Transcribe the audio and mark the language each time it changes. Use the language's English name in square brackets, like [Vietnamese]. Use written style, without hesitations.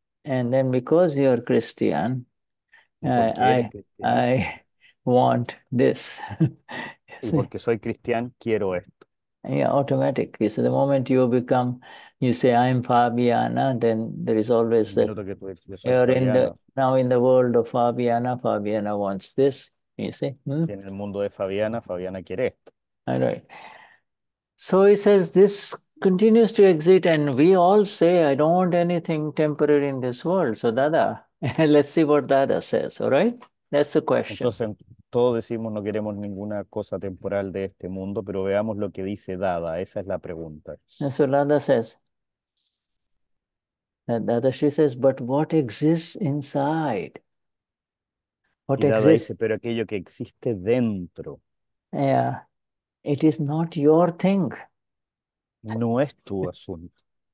[English] And then because you are Christian, I want this. [Spanish] Y porque soy cristiano, quiero esto. [English] Yeah, automatic. So the moment you become, you say, I am Fabiana, then there is always that. Now in the world of Fabiana, Fabiana wants this, you see. [Spanish] En el mundo de Fabiana, Fabiana quiere esto. [English] All right. So he says this continues to exist, and we all say, I don't want anything temporary in this world. So Dada. Let's see what Dada says, all right? That's the question. [Spanish] Entonces, todos decimos no queremos ninguna cosa temporal de este mundo, pero veamos lo que dice Dada. Esa es la pregunta. [English] And so Dada says, Dada, she says, but what exists inside? [Spanish] What y Dada [English] exists? [Spanish] Dice, pero aquello que existe dentro. [English] Yeah, it is not your thing. [Spanish] No es tu asunto.